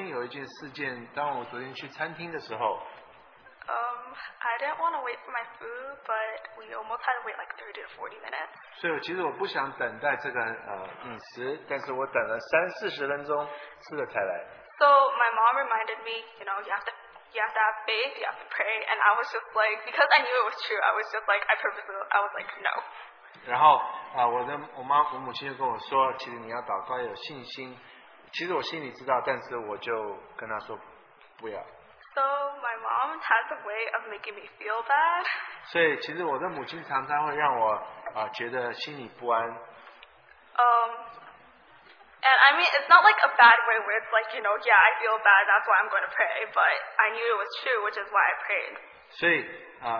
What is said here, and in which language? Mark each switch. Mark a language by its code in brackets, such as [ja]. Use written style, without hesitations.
[zh] 所以我其实是健忘的人，但是昨天有一件事件，当我昨天去餐厅的时候。 [en] I didn't want to wait for my food, but we almost had to wait like 30 to 40 minutes. [zh] 所以其实我不想等待这个饮食，但是我等了三四十分钟，吃了才来。 [en] So my mom reminded me, you know, you have to have faith, you have to pray, and I was just like, because I knew it was true, I was just like, I was like, no. [zh] 然后我妈，我母亲就跟我说，其实你要祷告要有信心。其实我心里知道，但是我就跟她说，不要。 [en] So my mom has a way of making me feel bad. [zh] 所以其实我的母亲常常会让我觉得心里不安。 [en] And I mean, it's not like a bad way where it's like, you know, yeah, I feel bad, that's why I'm going to pray, but I knew it was true, which is why I prayed.